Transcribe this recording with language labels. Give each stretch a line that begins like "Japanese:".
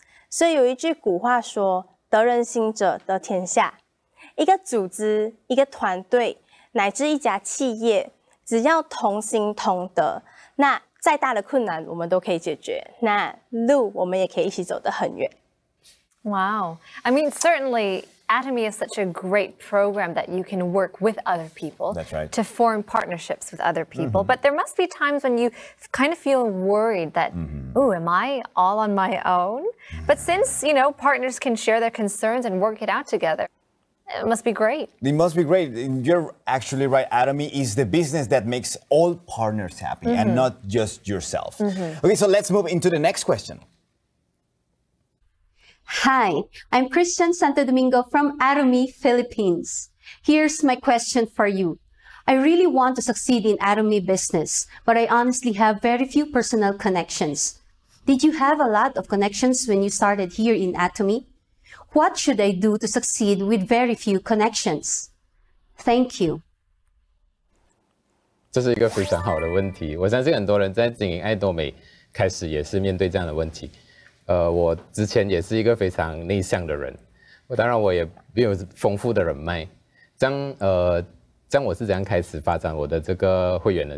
Chinese: 所以有一句古话说，得人心者得天下。一个组织，一个团队，乃至一家企业，只要同心同德，那再大的困难我们都可以解决，那路我们也可以一起走得很远。
English: Wow, I mean, certainly Atomy is such a great program that you can work with other people. That's right. To form partnerships with other people. Mm-hmm. But there must be times when you kind of feel worried that, mm-hmm. ooh, am I all on my own? Mm-hmm. But since, you know, partners can share their concerns and work it out together, it must be great. It must be great. You're actually right. Atomy is the business that makes all partners happy, mm-hmm. and not just yourself. Mm-hmm. Okay, so let's move into the next question. Hi, I'm Christian Santo Domingo from Atomy, Philippines. Here's my question for you. I really want to succeed in Atomy business, but I honestly have very few personal connections. Did you have a lot of connections when you started here in Atomy? What should I do to succeed with very few connections? Thank you.
Chinese: 这是一个非常好的问题。我相信很多人在经营爱多美开始也是面对这样的问题。我之前也是一个非常内向的人，我当然我也没有丰富的人脉。这样我是怎样开始发展我的这个会员呢？